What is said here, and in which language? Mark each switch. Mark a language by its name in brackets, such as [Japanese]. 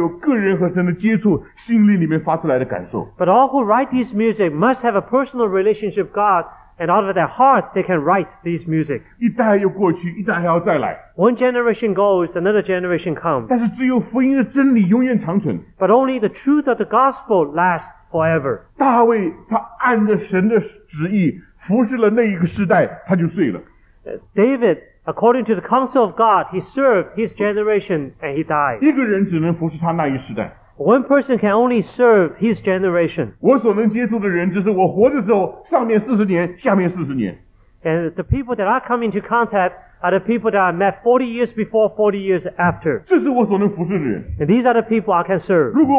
[Chinese] 但是这些音乐写的人都必须是在神的面前，他有个人和神的接触，心灵里面发出来的感受。 [English] But all who write these music must have a personal relationship with God, and out of their heart, they can write these music. [Chinese] 一代又过去，一代还要再来。 [English] One generation goes, another generation comes. [Chinese] 但是只有福音的真理永远长存。 [English] But only the truth of the gospel lasts forever. [Chinese] 大卫他按着神的旨意服侍了那一个世代，他就睡了。 [English] David, according to the counsel of God, he served his generation and he died. [Chinese] 一个人只能服侍他那一世代。 [English] One person can only serve his generation. [Chinese] 我所能接触的人，就是我活的时候，上面40年，下面40年。 [English] And the people that I come into contact are the people that I met 40 years before, 40 years after. [Chinese] 这是我所能服侍的人。 [English] And these are the people I can serve.